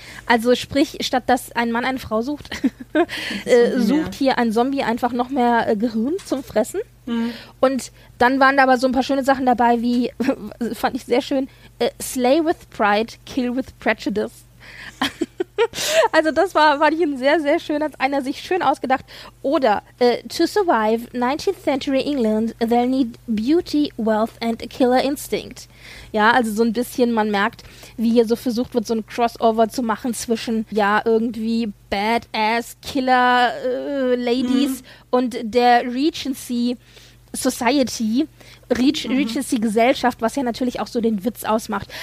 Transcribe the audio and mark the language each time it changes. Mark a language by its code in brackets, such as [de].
[de] Also sprich, statt dass ein Mann eine Frau sucht, sucht hier ein Zombie einfach noch mehr Gehirn zum Fressen. Mhm. Und dann waren da aber so ein paar schöne Sachen dabei, wie, fand ich sehr schön, [en] slay with pride, kill with prejudice. [de] Also das war ich ein sehr, sehr schön, hat einer sich schön ausgedacht. [en] Oder, to survive 19th century England, they'll need beauty, wealth and a killer instinct. [de] Ja, also so ein bisschen, man merkt, wie hier so versucht wird, so ein Crossover zu machen zwischen, ja, irgendwie badass, killer Ladies und der Regency Society, Regency Gesellschaft, was ja natürlich auch so den Witz ausmacht.